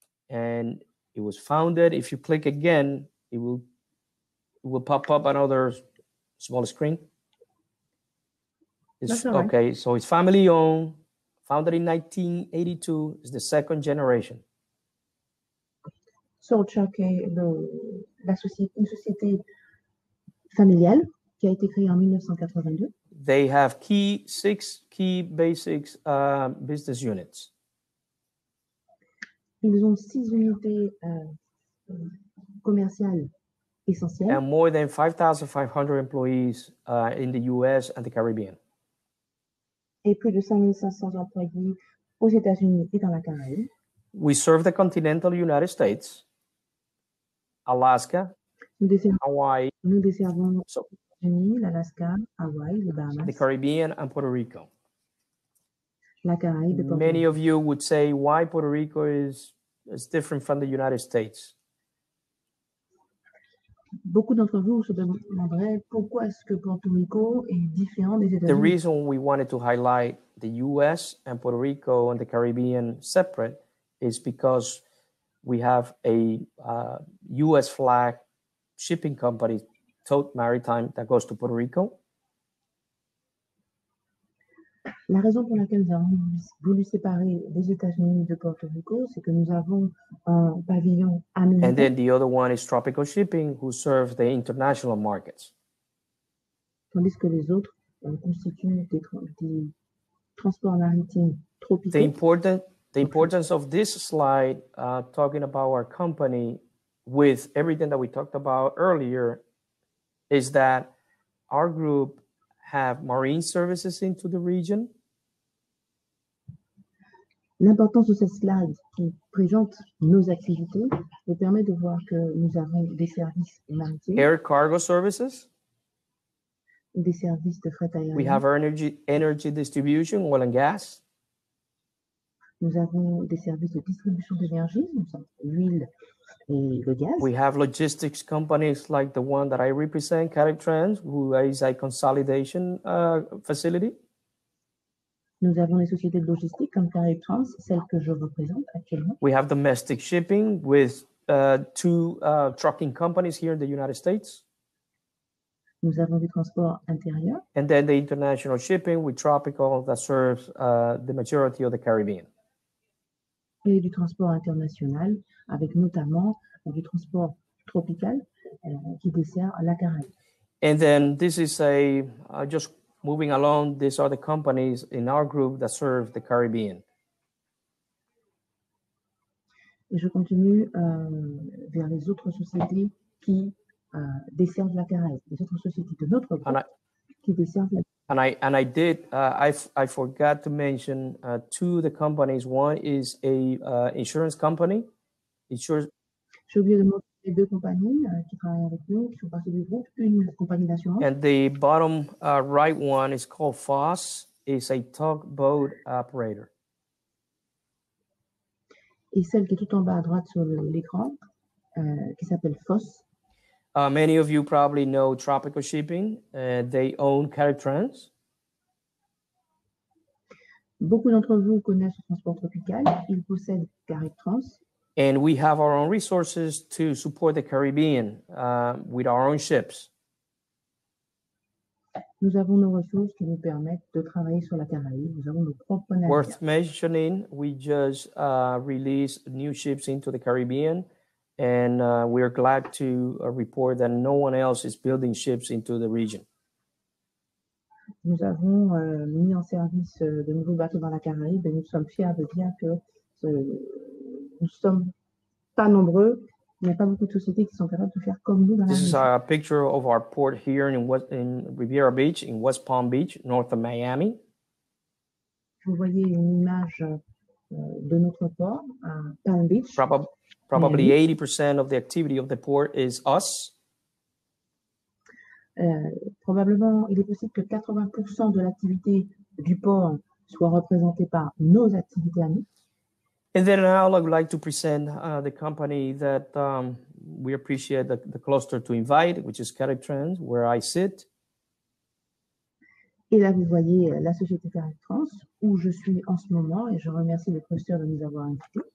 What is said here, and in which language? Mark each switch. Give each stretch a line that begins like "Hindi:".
English: And it was founded, if you click again, it will pop up another small screen. That's all right. Okay, so it's family owned, founded in 1982, is the second generation.
French: So Chuck est une société familiale qui a été créée en 1982.
English: They have six key basic business units.
French: Ils ont six unités commerciales essentielles.
English: And more than 5,500 employees in the US and the Caribbean.
French: Et plus de 5500 employés aux États-Unis et dans la Caraïbe.
English: We serve the continental United States, Alaska, Hawaii.
French: Nous desservons les États-Unis, l'Alaska, Hawaii, les Bahamas.
English: The Caribbean and Puerto Rico.
French: La Caraïbe et Puerto
English: Many of you would say why Puerto Rico is different from the United States.
French: Beaucoup d'entre vous se demanderaient pourquoi est-ce que Puerto Rico est différent des États-Unis.
English: The reason we wanted to highlight the U.S. and Puerto Rico and the Caribbean separate is because we have a U.S. flag shipping company, Tote Maritime, that goes to Puerto Rico.
French: La raison pour laquelle nous avons voulu séparer les États-Unis de Puerto Rico, c'est que nous avons un pavillon américain.
English: And then the other one is Tropical Shipping, who serves the international markets.
French: Tandis que les autres constituent des transports maritimes tropicaux.
English: The importance of this slide, talking about our company with everything that we talked about earlier, is that our group have marine services into the region.
French: L'importance de cette slide qui présente nos activités nous permet de voir que nous avons des services maritimes.
English: Air cargo services.
French: Des services de fret aérien.
English: We have energy distribution, oil and gas.
French: Nous avons des services de distribution d'énergie, l'huile et le gaz.
English: We have logistics companies like the one that I represent, Caltrans, who is a consolidation facility.
French: Nous avons des sociétés de logistique comme Caltrans, celle que je représente actuellement.
English: We have domestic shipping with two trucking companies here in the United States.
French: Nous avons du transport intérieur.
English: And then the international shipping with Tropical that serves the majority of the Caribbean.
French: Et du transport international, avec notamment du transport tropical qui dessert la Caraïbe.
English: And then this is a, just moving along, these are the companies in our group that serve the Caribbean.
French: Et je continue vers les autres sociétés qui desservent la Caraïbe, les autres sociétés de notre groupe qui desservent la Caraïbe.
English: I forgot to mention two of the companies. One is a insurance company.
French: J'ai oublié de mentionner deux compagnies qui travaillent avec nous, qui sont partie du groupe, une compagnie d'assurance.
English: And the bottom right one is called FOSS. It's a tugboat operator.
French: Et celle qui est tout en bas à droite sur l'écran qui s'appelle FOSS.
English: Many of you probably know Tropical Shipping. They own Caltrans.
French: Beaucoup d'entre vous connaissent le transport tropical. Ils possèdent Caltrans.
English: And we have our own resources to support the Caribbean with our own ships.
French: Nous avons nos ressources qui nous permettent de travailler sur la Caraïbe. Nous avons nos propres navires.
English: Worth mentioning, we just released new ships into the Caribbean, and we are glad to report that no one else is building ships into the region.
French: Nous avons mis en service de nouveaux bateaux dans la Caraïbe, et nous sommes fiers de dire que nous ne sommes pas nombreux. Il n'y a pas beaucoup de sociétés qui sont capables de faire comme nous.
English: This is a picture of our port here in Riviera Beach, in West Palm Beach, north of Miami.
French: Vous voyez une image de notre port, à Palm Beach.
English: Probably Miami. 80% of the activity of the port is us.
French: Probablement, il est possible que 80% de l'activité du port soit représentée par nos activités à nous.
English: And then now I would like to present the company that we appreciate the cluster to invite, which is Caltrans, where I sit.
French: Et là, vous voyez la société Caltrans, où je suis en ce moment, et je remercie le cluster de nous avoir invités.